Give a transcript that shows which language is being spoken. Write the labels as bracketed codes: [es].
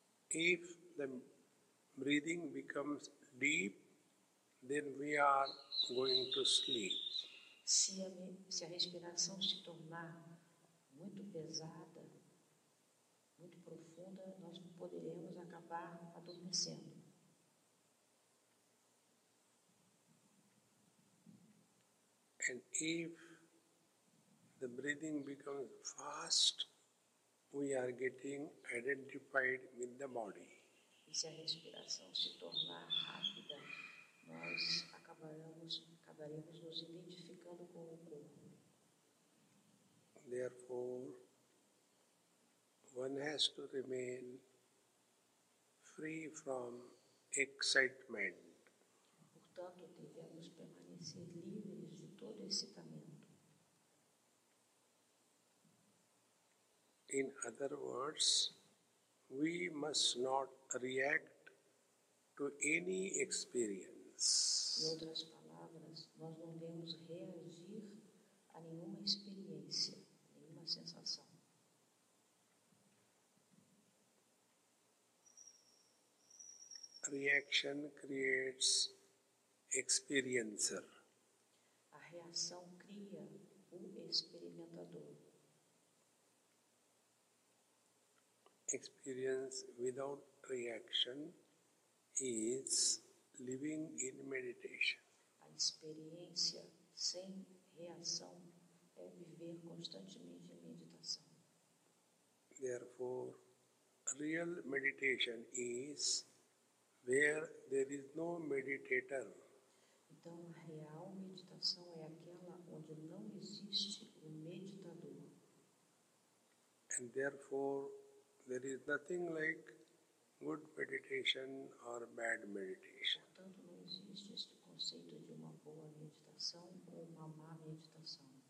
[en] If the breathing becomes deep, then we are going to sleep. [pt] Se a respiração se tornar muito pesada, muito profunda, nós poderemos acabar adormecendo. [en] And if the breathing becomes fast, we are getting identified with the body. [pt] E se a respiração se tornar rápida, nós acabaremos nos identificando com o corpo. [en] Therefore, one has to remain free from excitement. [pt] Portanto, devemos permanecer livres de todo excitamento. [en] In other words, we must not react to any experience. [pt] Em outras palavras, nós não devemos reagir a nenhuma experiência, nenhuma sensação. [en] Reaction creates experiencer. [pt] A reação cria o experimentador. [en] Experience without reaction is living in meditation. [pt] A experiência sem reação é viver constantemente em meditação. [en] Therefore, real meditation is where there is no meditator. [pt] Então, a real meditação é aquela onde não existe o meditador. [en] And therefore, there is nothing like good meditation or bad meditation. [pt] Portanto, não existe este conceito de uma boa meditação ou uma má meditação.